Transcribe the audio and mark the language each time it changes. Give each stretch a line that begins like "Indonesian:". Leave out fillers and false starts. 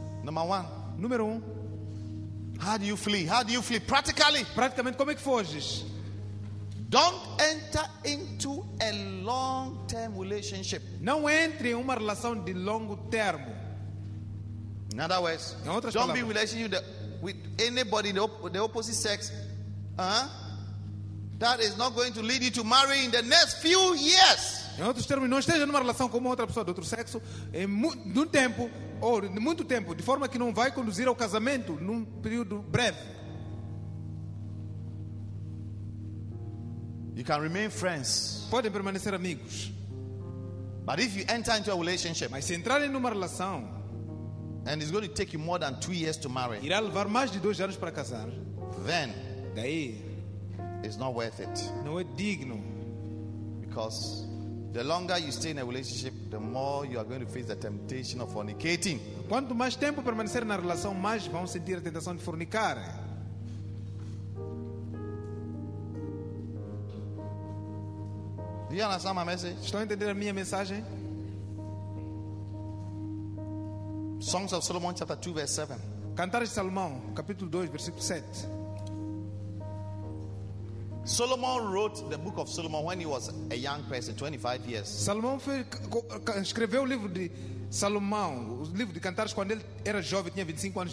English: Number one.
Portuguese: Número um.
English: How do you flee? How do you flee? Practically.
Portuguese: Praticamente, como é que foges?
English: Don't enter into a long-term relationship.
Portuguese: Não entre em uma relação de longo termo.
English: In other words, don't be relationship with anybody the opposite sex, that is not going to lead you to marry in the next few years.
Portuguese: Em outros termos, não esteja numa relação com outra pessoa de outro sexo em num tempo ou de muito tempo, de forma que não vai conduzir ao casamento num período breve.
English: You can remain friends.
Portuguese: Podem permanecer amigos.
English: But if you enter into a relationship,
Portuguese: mas se entrarem numa relação,
English: and it's going to take you more than 2 years to marry,
Portuguese: irá levar mais de 2 anos para casar,
English: then,
Portuguese: daí,
English: it's not worth it.
Portuguese: Não é digno,
English: because the longer you stay in a relationship, the more you are going to face the temptation of fornicating.
Portuguese: Quanto mais tempo permanecer na relação, mais vão sentir a tentação de fornicar.
English: You understand my message?
Portuguese: Estão a entender a minha mensagem?
English: Songs of Solomon, chapter 2, verse 7.
Portuguese: Cantares de Salomão, capítulo 2, versículo 7.
English: Solomon wrote the book of Solomon when he was a young person, 25 years.
Portuguese: Salomão escreveu o livro de Salomão, o livro de Cantares, quando ele era jovem, tinha 25 anos.